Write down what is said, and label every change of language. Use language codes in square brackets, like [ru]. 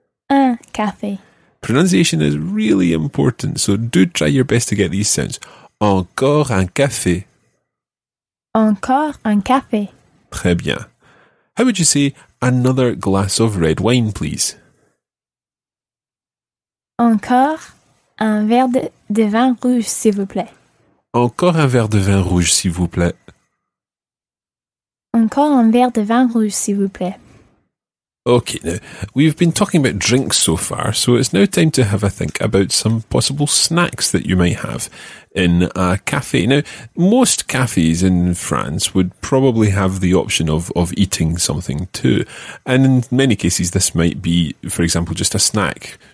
[fr] Un café. [en] Pronunciation is really important, so do try your best to get these sounds. [fr] Encore un café. Encore un café. Très bien. [en] How would you say another glass of red wine, please? [fr] Encore un verre de vin rouge, s'il vous plaît. Encore un verre de vin rouge, s'il vous plaît. Encore un verre de vin rouge, s'il vous plaît. [en] Okay, now, we've been talking about drinks so far, so it's now time to have a think about some possible snacks that you might have in a cafe. Now, most cafes in France would probably have the option of eating something too. And in many cases, this might be, for example, just a snack.